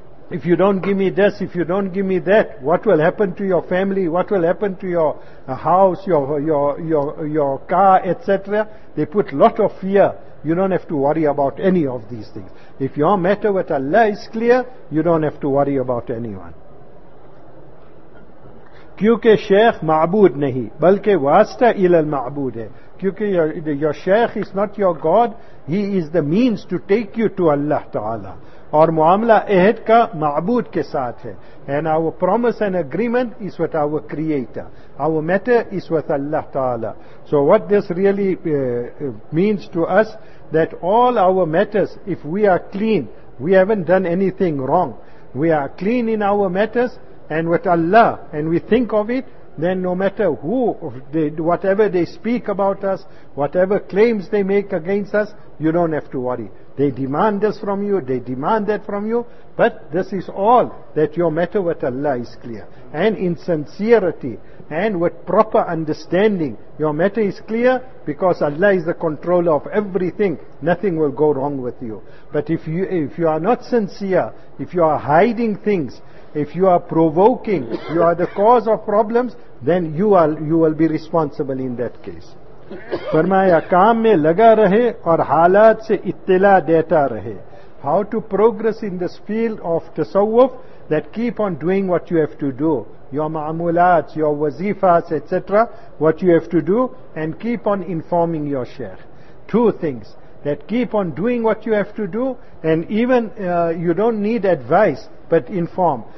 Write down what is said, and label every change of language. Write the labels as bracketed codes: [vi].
[en] If you don't give me this, if you don't give me that, what will happen to your family? What will happen to your house, your car, etc.? They put lot of fear. You don't have to worry about any of these things. If your matter with Allah is clear, you don't have to worry about anyone. [ur] کیونکہ شیخ معبود نہیں بلکہ واسطہ الی المعبود ہے. کیونکہ [en] your sheikh is not your God, he is the means to take you to Allah Ta'ala. [ur] اور معاملہ عہد کا معبود کے ساتھ ہے. [en] And our promise and agreement is with our creator. Our matter is with Allah Ta'ala. So what this really means to us, that all our matters, if we are clean, we haven't done anything wrong, we are clean in our matters and with Allah, and we think of it, then no matter who, whatever they speak about us, whatever claims they make against us, you don't have to worry. They demand this from you, they demand that from you, but this is all that your matter with Allah is clear. And in sincerity, and with proper understanding, your matter is clear because Allah is the controller of everything. Nothing will go wrong with you. But if you are not sincere, if you are hiding things, if you are provoking, you are the cause of problems, then you will be responsible in that case. [ur] فرمایا کام میں لگا رہے اور حالات سے اطلاع دیتا رہے. [en] How to progress in this field of tasawwuf, that keep on doing what you have to do, your ma'amulats, your wazifas, etc., what you have to do, and keep on informing your sheikh. Two things. that keep on doing what you have to do, and even you don't need advice, but inform.